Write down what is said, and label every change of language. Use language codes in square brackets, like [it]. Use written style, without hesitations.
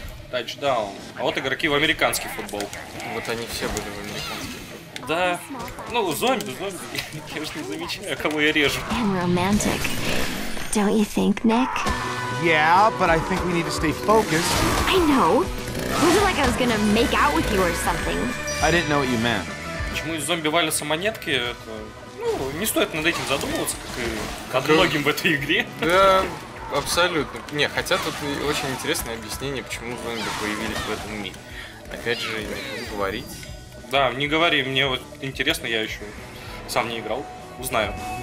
[ru] Тачдаун. А вот игроки в американский футбол. Вот они все были в американский футбол. Да. Ну, зомби. Я же не замечаю, кого я режу. [en] I'm romantic. Don't you think, Nick? Yeah, but I think we need to stay focused. I know. Was it like I was gonna make out with you or something? I didn't know what you meant. [ru] Почему из зомби валятся монетки, это... Ну, не стоит над этим задумываться, как и над многим в этой игре. Да, абсолютно. Не, хотя тут очень интересное объяснение, почему зомби появились в этом мире. Опять же, не буду говорить. Да, не говори, мне вот интересно, я еще сам не играл. Узнаю.